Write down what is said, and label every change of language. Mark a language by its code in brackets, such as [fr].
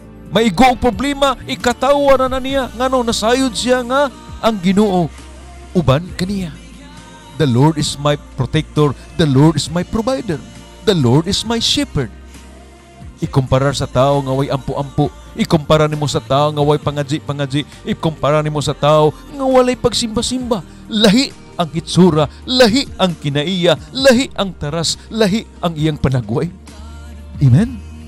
[ceb] Maigo ang problema, ikatawa na niya. Nga no, nasayod siya nga ang Ginoo, uban kaniya. [en] The Lord is my protector, the Lord is my provider, the Lord is my shepherd. [ceb] Ikumpara sa tao nga way ampu-ampu, ikumpara nimo sa tao nga way pangaji-pangaji, ikumpara nimo sa tao nga walay pagsimba-simba, lahi ang hitsura, lahi ang kinaiya, lahi ang taras, lahi ang iyang panagway. Amen?